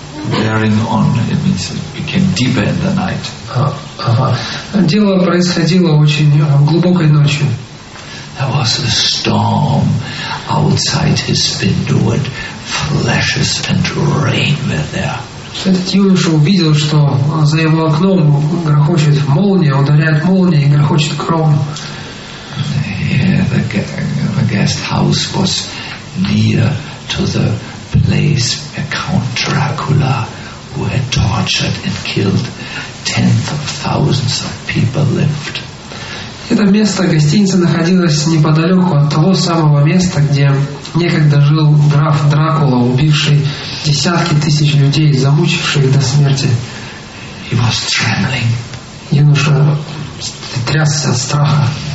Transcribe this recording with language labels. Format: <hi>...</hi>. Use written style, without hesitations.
<en>Wearing on, it means it became deeper in the night.</en> <ru>Дело происходило очень глубокой ночью.</ru> <en>There was a storm. outside his window and flashes and rain were there.</en> <ru>Этот юноша увидел, что за его окном грохочет молния, ударяет молния и грохочет гром.</ru> <en>The guest house was near to the place where Count Dracula, who had tortured and killed tens of thousands of people, lived.</en> <ru>Это место гостиницы находилось неподалеку от того самого места, где некогда жил граф Дракула, убивший десятки тысяч людей, замучивший их до смерти.</ru> <en>He was trembling.</en> <ru>Юноша трясся от страха.</ru>